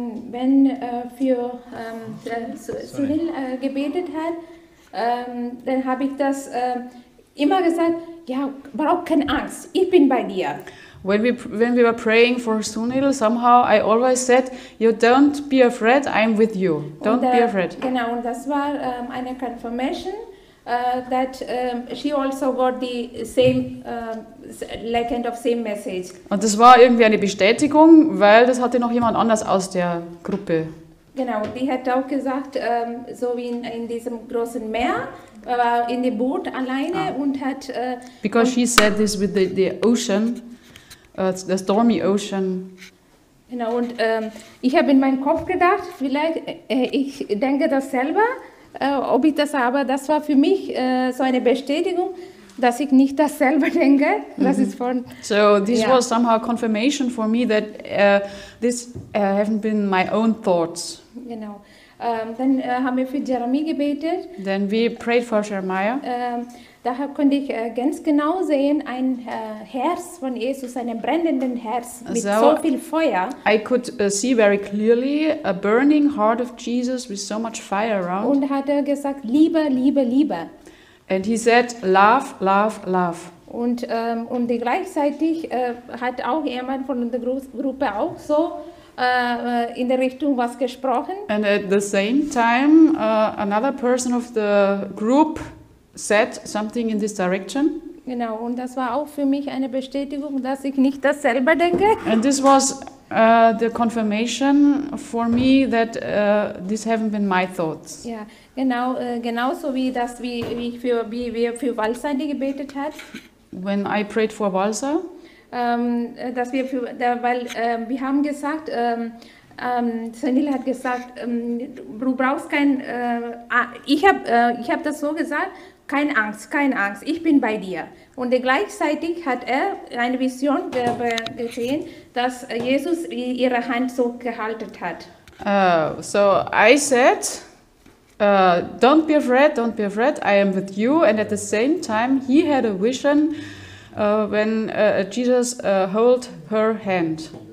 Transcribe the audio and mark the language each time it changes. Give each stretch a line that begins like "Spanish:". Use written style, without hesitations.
German: Wenn für Cyril gebetet hat, dann habe ich das immer gesagt, ja, brauch keine Angst, ich bin bei dir.
English: When we were praying for Sunil, somehow I always said, you don't be afraid, I'm with you. Don't be afraid.
German: Genau, und das war eine
English: Confirmation, that she also got the same, like kind of same message.
German: Und das war irgendwie eine Bestätigung, weil das hatte noch jemand anders aus der Gruppe. Genau, die hat auch gesagt, so wie in diesem großen Meer, war in dem Boot alleine und hat...
English: Because she said this with the ocean, the stormy ocean.
German: Genau, und ich habe in meinem Kopf gedacht, vielleicht, ich denke das selber, ob ich das aber, das war für mich so eine Bestätigung, dass ich nicht das selber denke, das ist von...
English: So this was somehow confirmation for me that this haven't been my own thoughts.
German: Genau. Dann haben wir für Jeremy gebetet.
English: Then we prayed for Jeremiah.
German: Daher konnte ich ganz genau sehen, ein Herz von Jesus, ein brennendes Herz mit so viel Feuer.
English: I could see very clearly a burning heart of Jesus with so much fire around.
German: Und hat er gesagt, Liebe, Liebe, Liebe.
English: And he said, love, love, love.
German: Und gleichzeitig hat auch jemand von der Gruppe auch so in der Richtung was gesprochen.
English: And at the same time, another person of the group said something in this direction.
German: Genau, und das war auch für mich eine Bestätigung, dass ich nicht das selber denke.
English: And this was the confirmation for me that this haven't been my thoughts.
German: Ja, yeah, genau, genauso wie das, wie wir für Walser gebetet hat.
English: When I prayed for Walser.
German: dass wir für, da, weil wir haben gesagt, Sunil hat gesagt, du brauchst kein, ich hab das so gesagt, keine Angst, keine Angst, ich bin bei dir. Und gleichzeitig hat er eine Vision gesehen, dass Jesus ihre Hand so gehalten hat.
English: So I said, don't be afraid, don't be afraid, I am with you. And at the same time, he had a vision when Jesus held her hand.